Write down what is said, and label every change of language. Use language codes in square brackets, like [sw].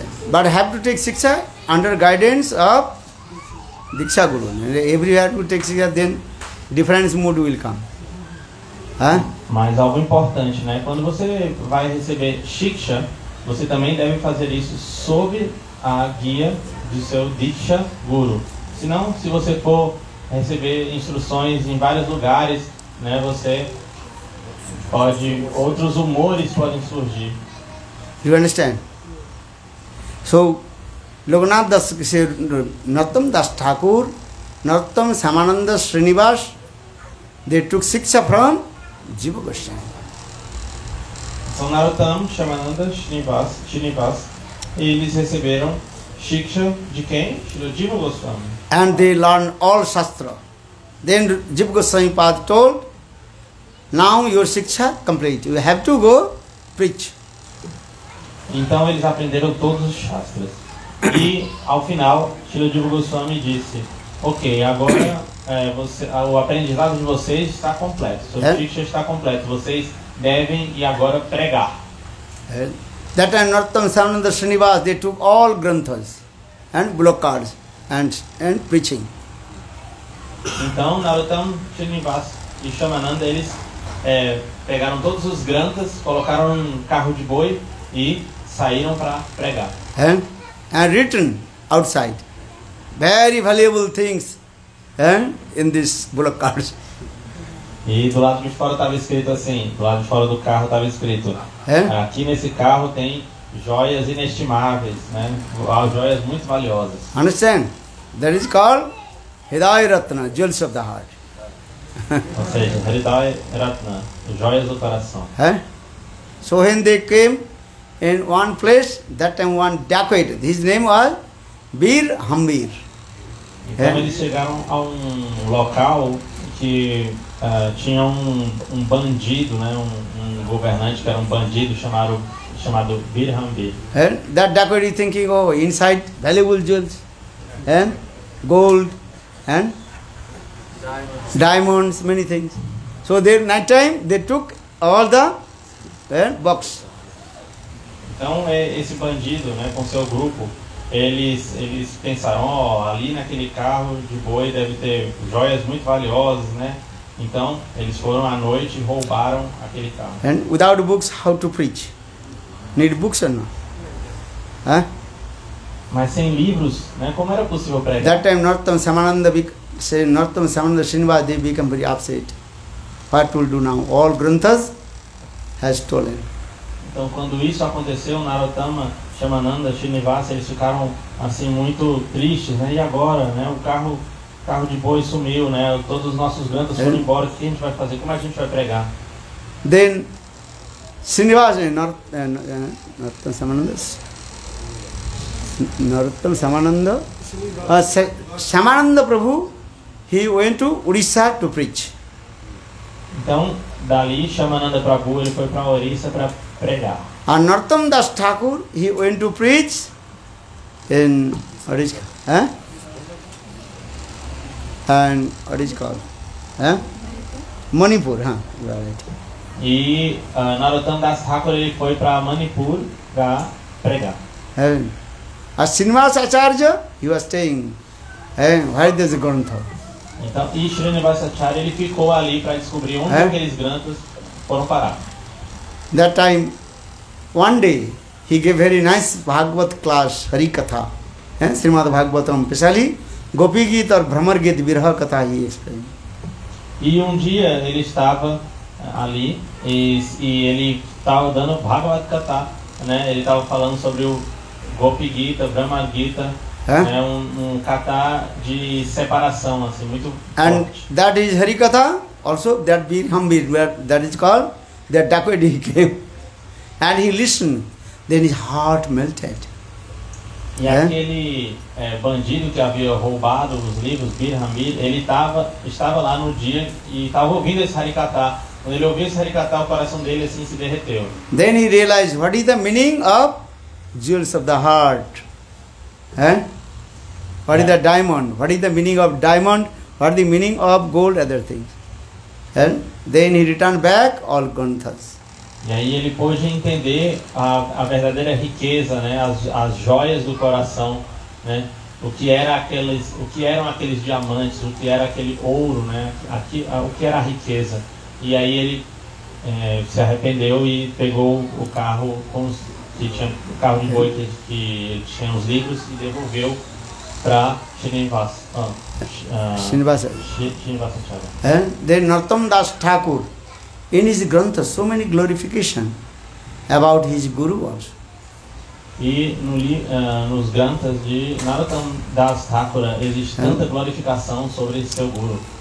[en] But have to take Shiksha under guidance of Diksha Guru. Everywhere you take Shiksha, then different mood will come. [pt] Mas algo importante, né? Quando você vai receber Shiksha, você também deve fazer isso sob a guia do seu Diksha Guru. Senão, se você for receber instruções em vários lugares, né, você pode. Outros humores podem surgir. [en] You understand? So, Lokanath Das Narottam Das Thakur, Narottam Samananda Srinivas, they took Shiksha from Jiva Goswami. [pt] São Narottam, Samananda, Srinivas, e eles receberam Shiksha de quem? Shri Jiva Goswami. [en] And they learned all Shastra. Then Jiva Goswami Pad told, now your Shiksha complete, you have to go preach. [pt] Então eles aprenderam todos os Shastras. E ao final, Shri Jiva Goswami disse, ok, agora o aprendizado de vocês está completo. Seu Shiksha está completo. Vocês devem e agora pregar. [en] That time Narottam Samananda Srinivas, they took all Granthas and Blockards and preaching. [pt] Então Narottam Srinivas e Shamananda, eles pegaram todos os Granthas, colocaram um carro de boi e saíram para pregar. [en] And written outside. Very valuable things. In this bullock cars. [pt] E do lado de fora estava escrito assim, do lado de fora do carro estava escrito, aqui nesse carro tem joias inestimáveis, né? Joias muito valiosas. [en] Understand? That is called Hridaya Ratna, jewels of the heart. [pt] Ou seja, Hridaya Ratna, joias do coração. [en] So when they came in one place, that time one dacoit, his name was Bir Hambir. [pt] Então eles chegaram a um local que tinha um bandido, né, um governante que era um bandido chamado Bir Hambir. [en] And that dacoit is thinking, oh, inside valuable jewels, and gold, and diamonds, many things. So there night time they took all the box. [pt] Então esse bandido, né, com seu grupo. Eles pensaram, ali naquele carro de boi deve ter joias muito valiosas, né? Então, eles foram à noite e roubaram aquele carro. [en] And without books, how to preach? Need books or not? [pt] Mas sem livros, né? Como era possível pregar? [en] That time, Narottam Samananda Srinivas, they become very upset. What will do now? All Granthas has stolen. [pt] Então, quando isso aconteceu, Narottama Shamananda, Srinivas, eles ficaram assim muito tristes, né? E agora, né? O carro de boi sumiu, né? Todos os nossos grandes foram embora. O que a gente vai fazer? Como a gente vai pregar? [en] Then, Srinivas, Narottam Samananda, Narottam Samananda, Samananda Prabhu, he went to Orissa to preach. [pt] Então, dali, Shamananda Prabhu, ele foi para Orissa para pregar. [en] And Narottam Das Thakur, he went to preach in Orissa. And Orissa called? Manipur, right. [pt] E Narottam Das Thakur, ele foi para Manipur para pregar. [en] As Srinivas Acharya, he was staying. Where does the Grantha? [pt] Então, e Srinivas Acharya, ele ficou ali para descobrir onde aqueles Granthas foram parar. [en] That time, one day, he gave very nice Bhagavat class, Harikatha. Srimad Bhagavatam, especially Gopi Gita or Bhramar Gita, Virha Katha, he explained. [pt] E um dia ele estava ali e ele estava dando Bhagavad Gita, né? Ele estava falando sobre o Gopi Gita, Brahma Gita, né? um kata de separação, assim, muito [en] and [pt] forte. [en] And that is Hari Katha, also that being humble, where that is called that Dakwadi came. And he listened, then his heart melted. [pt] E aquele bandido que havia roubado os livros, Birhambir, ele estava lá no dia e estava ouvindo esse Harikata. Quando ele ouviu esse Harikata, o coração dele assim se derreteu. [en] Then he realized, what is the meaning of jewels of the heart? What is the diamond? What is the meaning of diamond? What is the meaning of gold, other things? Then he returned back all granthas. [pt] E aí ele pôde entender a verdadeira riqueza, né, as joias do coração, né, o que eram aqueles diamantes, o que era aquele ouro, né, o que era a riqueza. E aí ele se arrependeu e pegou o carro o carro de boi que tinha os livros e devolveu para Srinivasacharya. De Nartam Das Thakur. [en] In his granta, so many glorification about his guru also. [pt] E nos grantas de Narottam Das Thakur existe tanta glorificação sobre seu guru.